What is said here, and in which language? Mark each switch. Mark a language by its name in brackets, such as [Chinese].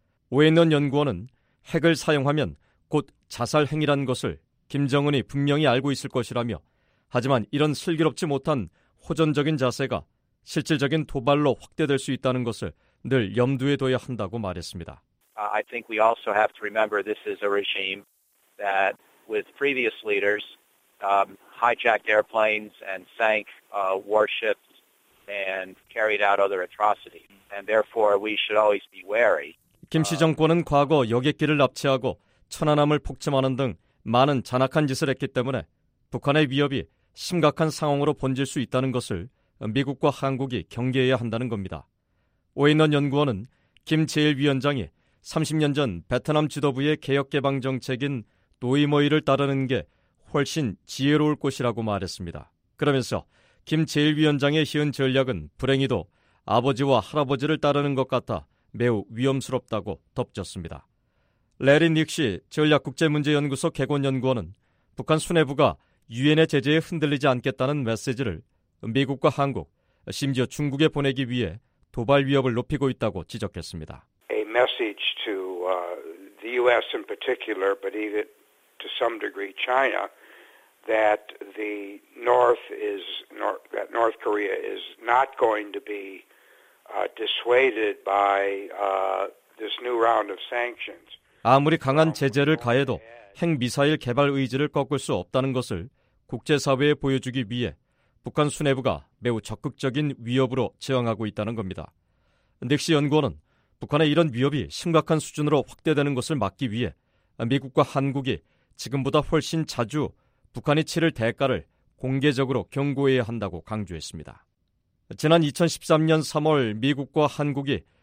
[Korean] 오해넌 연구원은 핵을 사용하면 곧 자살 행위라는 것을 김정은이 분명히 알고 있을 것이라며 하지만 이런 슬기롭지 못한 호전적인 자세가 실질적인 도발로 확대될 수 있다는 것을 늘 염두에 둬야 한다고 말했습니다. [English] I think we also have to remember this is a regime that with previous leaders hijacked airplanes and sank warships and carried out other atrocities. And therefore, we should always be wary. [Korean] 김씨 정권은 과거 여객기를 납치하고 천안함을 폭침하는 등 많은 잔악한 짓을 했기 때문에 북한의 위협이 심각한 상황으로 번질 수 있다는 것을 미국과 한국이 경계해야 한다는 겁니다. 오인원 연구원은 김 제1위원장이 30년 전 베트남 지도부의 개혁개방 정책인 노이머이를 따르는 게 훨씬 지혜로울 것이라고 말했습니다. 그러면서 김 제1위원장의 희은 전략은 불행히도 아버지와 할아버지를 따르는 것 같아 매우 위험스럽다고 덧붙였습니다. 레린 닉시 전략국제문제연구소 개건연구원은 북한 수뇌부가 유엔의 제재에 흔들리지 않겠다는 메시지를 미국과 한국, 심지어 중국에 보내기 위해 도발 위협을 높이고 있다고 지적했습니다. [English] A message to the U.S. in particular, but even to some degree China, that the North is that North Korea is not going to be dissuaded by this new round of sanctions. [Korean] 아무리 강한 제재를 가해도 핵 미사일 개발 의지를 꺾을 수 없다는 것을 국제사회에 보여주기 위해 북한 수뇌부가 매우 적극적인 위협으로 저항하고 있다는 겁니다. 닉시 연구원은 북한의 이런 위협이 심각한 수준으로 확대되는 것을 막기 위해 미국과 한국이 지금보다 훨씬 자주 북한이 치를 대가를 공개적으로 경고해야 한다고 강조했습니다. 지난 2013년 3월 미국과 한국이